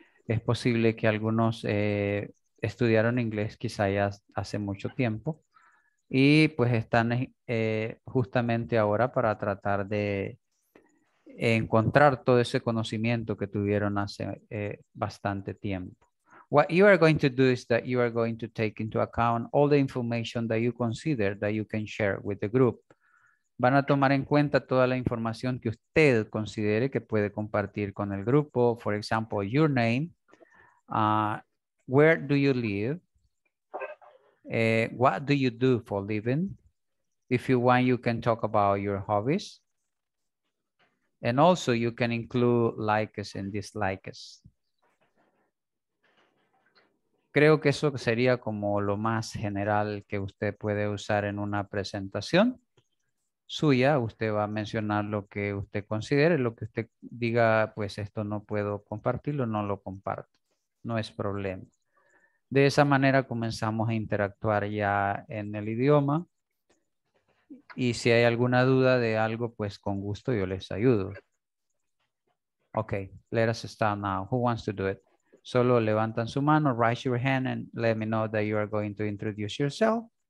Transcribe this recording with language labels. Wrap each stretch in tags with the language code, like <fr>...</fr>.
<es>Es posible que algunos estudiaron inglés quizá ya hace mucho tiempo. Y pues están justamente ahora para tratar de encontrar todo ese conocimiento que tuvieron hace bastante tiempo.</es> <en>What you are going to do is that you are going to take into account all the information that you consider that you can share with the group.</en> <es>Van a tomar en cuenta toda la información que usted considere que puede compartir con el grupo.</es> <en>For example, your name. Where do you live? What do you do for a living? If you want, you can talk about your hobbies. And also you can include likes and dislikes.</en> <es>Creo que eso sería como lo más general que usted puede usar en una presentación suya. Usted va a mencionar lo que usted considere, lo que usted diga, pues esto no puedo compartirlo, no lo comparto. No es problema. De esa manera comenzamos a interactuar ya en el idioma. Y si hay alguna duda de algo, pues con gusto yo les ayudo.</es> <en>Okay, let us start now. Who wants to do it?</en> <es>Solo levantan su mano,</es> <en>raise your hand and let me know that you are going to introduce yourself.</en>